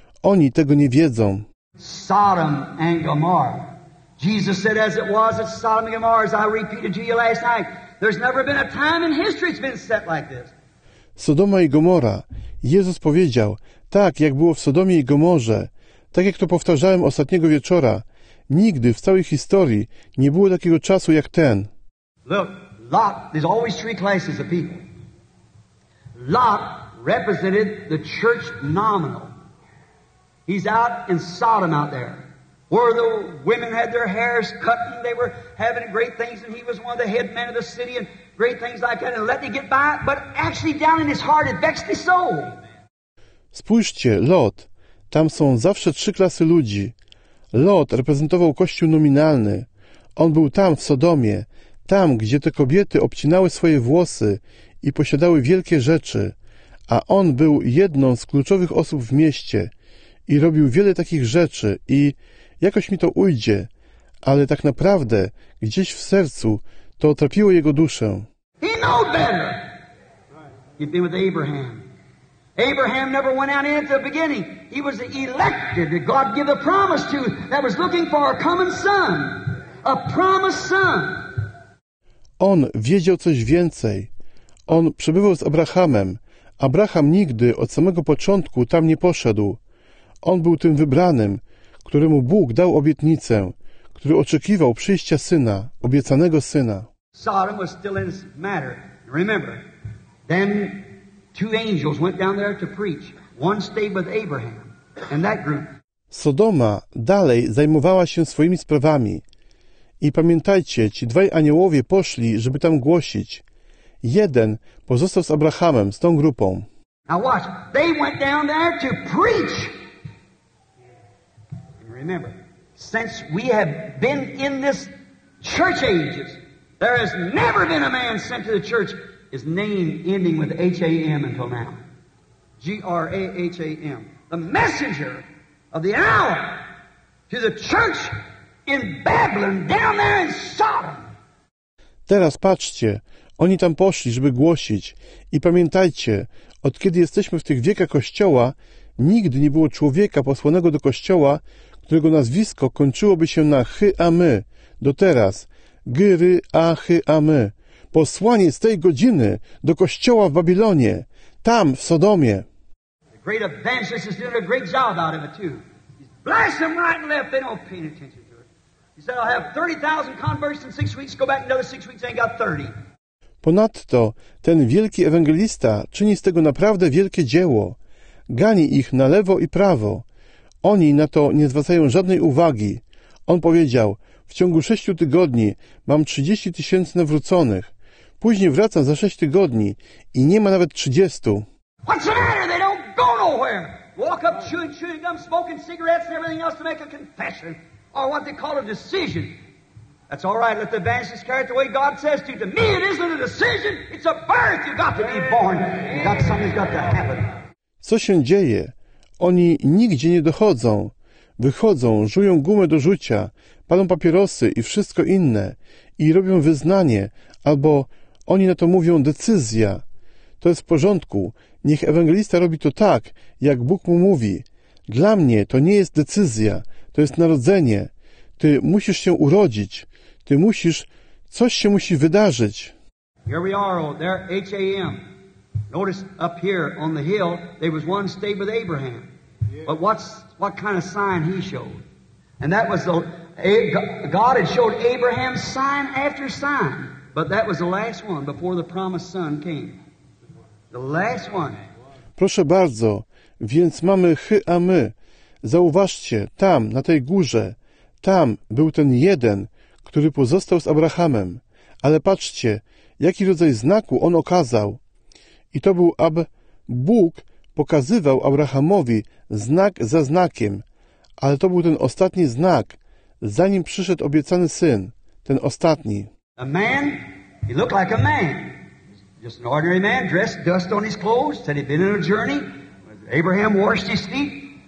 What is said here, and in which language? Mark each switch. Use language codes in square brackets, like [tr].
[pl] Oni tego nie wiedzą. [en] Sodom and Gomorrah. Jesus said, as it was at Sodom and Gomorrah, as I repeated to you last night, there's never been a time in history it's been set like this. [pl] Sodoma i Gomora. Jezus powiedział, tak jak było w Sodomie i Gomorze, tak jak to powtarzałem ostatniego wieczora, nigdy w całej historii nie było takiego czasu jak ten. [en] Look, Lot, there's always three classes of people. Lot represented the church nominal. He's out in Sodom out there, where the women had their hairs cut and they were having great things and he was one of the head men of the city and great things like that and let me get by, but actually down in his heart it vexed his soul. [pl] Spójrzcie, Lot, tam są zawsze trzy klasy ludzi. Lot reprezentował kościół nominalny. On był tam, w Sodomie, tam, gdzie te kobiety obcinały swoje włosy i posiadały wielkie rzeczy, a on był jedną z kluczowych osób w mieście i robił wiele takich rzeczy i jakoś mi to ujdzie, ale tak naprawdę gdzieś w sercu to trapiło jego duszę. [en] He knew better. He'd been with Abraham. Abraham never went out into the beginning. He was the elected that God gave the promise to that was looking for a coming son. A promised son. [pl] On wiedział coś więcej. On przebywał z Abrahamem. Abraham nigdy od samego początku tam nie poszedł. On był tym wybranym, któremu Bóg dał obietnicę, który oczekiwał przyjścia syna, obiecanego syna. [en] Sodom was still in this matter. Remember, then two angels went down there to preach. One stayed with Abraham and that group. [pl] Sodoma dalej zajmowała się swoimi sprawami. I pamiętajcie, ci dwaj aniołowie poszli, żeby tam głosić. Jeden pozostał z Abrahamem, z tą grupą. [en] Now watch, they went down there to preach. Remember, since we have been in this church ages, there has never been a man sent to the church his name ending with H-A-M until now. G-R-A-H-A-M. The messenger of the hour to the church in Babylon, down there in Sodom. [pl] Teraz patrzcie, oni tam poszli, żeby głosić. I pamiętajcie, od kiedy jesteśmy w tych wiekach Kościoła, nigdy nie było człowieka posłanego do Kościoła, którego nazwisko kończyłoby się na Hy-A-My. Do teraz. Gry-A-Hy-A-My. Posłanie z tej godziny do kościoła w Babilonie. Tam, w Sodomie. [en] The great evangelist is doing a great job out of it too. He's blasting them right and left. They don't pay any attention to it. He said, I'll have 30,000 converts in 6 weeks. Go back another 6 weeks. I ain't got 30. [pl] Ponadto, ten wielki ewangelista czyni z tego naprawdę wielkie dzieło. Gani ich na lewo i prawo. Oni na to nie zwracają żadnej uwagi. On powiedział, w ciągu 6 tygodni mam 30,000 nawróconych. Później wracam za 6 tygodni i nie ma nawet 30. [en] What's the matter? They don't go nowhere. Walk up chewing gum, smoking cigarettes and everything else to make a confession. Or what they call a decision. That's all right, let the evangelist carry it the way God says to me it isn't a decision, it's a birth. You've got to be born. You've got something's got to happen. [pl] Co się dzieje? Oni nigdzie nie dochodzą. Wychodzą, żują gumę do żucia, palą papierosy i wszystko inne i robią wyznanie, albo oni na to mówią decyzja. To jest w porządku. Niech ewangelista robi to tak, jak Bóg mu mówi. Dla mnie to nie jest decyzja, to jest narodzenie. Ty musisz się urodzić. Ty musisz... Coś się musi wydarzyć. [en] Here we are, oh, there, H-A-M. Notice up here on the hill, there was one stayed with Abraham. But what kind of sign he showed? And that was the God had showed Abraham sign after sign, but that was the last one before the promised son came. The last one. [pl] Proszę bardzo, więc mamy hy a my. Zauważcie, tam, na tej górze, tam był ten jeden, który pozostał z Abrahamem. Ale patrzcie, jaki rodzaj znaku on okazał. I to był, aby Bóg pokazywał Abrahamowi znak za znakiem. Ale to był ten ostatni znak, zanim przyszedł obiecany syn, ten ostatni. [en] A man, he looked like a man. Just an ordinary man, dressed dust on his clothes, said he'd been on a journey. Abraham washed his feet.